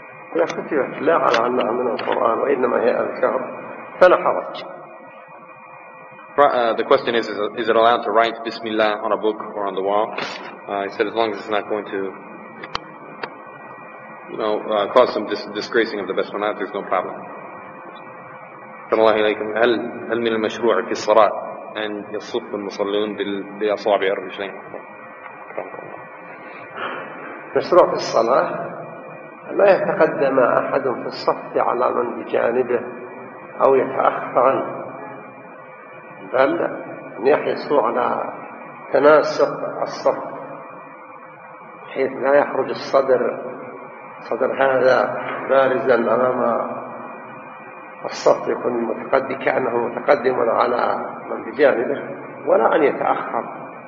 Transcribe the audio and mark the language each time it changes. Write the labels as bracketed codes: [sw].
[ar] لا على أن من القرآن وإنما هي أذكار فلا حرج. [en] The question is it allowed to write Bismillah on a book or on the wall? He said as long as it's not going to cause some disgracing of the Basmalah, there's no problem. [ar] Sallallahu alaykum. هل من المشروع في الصلاة أن يصف المصلون بأصابع الرجلين؟ مشروع في الصلاة لا يتقدم أحد في الصف على من بجانبه أو يتأخر، بل يحرصوا على تناسق الصف حيث لا يخرج صدر هذا بارزا أمام الصف، يكون متقدم كأنه متقدم على من بجانبه ولا أن يتأخر.